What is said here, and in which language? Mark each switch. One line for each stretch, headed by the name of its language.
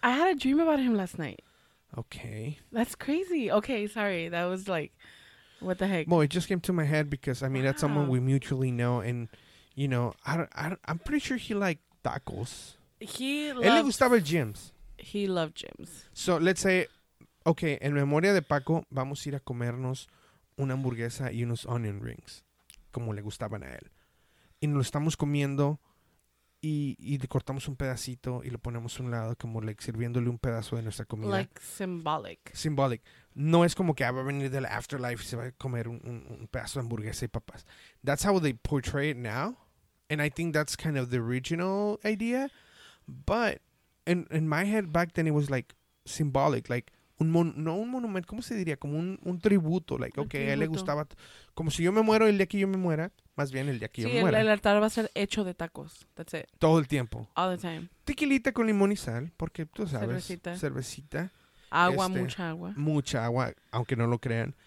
English: I had a dream about him last night. Okay. That's crazy. Okay, sorry. That was like, what the heck? Well, it just came to my head because, I mean, wow. That's someone we mutually know. And, you know, I'm pretty sure he liked tacos.
Spanish: Él le gustaba gyms.
English: He loved gyms. So let's say, okay,
Spanish: en memoria de Paco, vamos a ir a comernos una hamburguesa y unos onion rings, como le gustaban a él. Y nos lo estamos comiendo y le cortamos un pedacito y lo ponemos a un lado como like sirviéndole un pedazo de nuestra comida.
English: Like symbolic. Symbolic.
Spanish: No es como que va a venir del afterlife y se va a comer un pedazo de hamburguesa y papas.
English: That's how they portray it now. And I think that's kind of the original idea. But in my head back then it was like symbolic.
Spanish: Like un monumento, ¿cómo se diría? Como un tributo. Like, okay, tributo. A él le gustaba. Como si yo me muero el día que yo me muera. Más bien el de aquí. Sí, muera. El altar va a ser hecho de tacos.
English: That's it.
Spanish: Todo el tiempo.
English: All the time.
Spanish: Tequilita con limón y sal, porque tú sabes. Cervecita. Agua, mucha agua. Mucha agua, aunque no lo crean.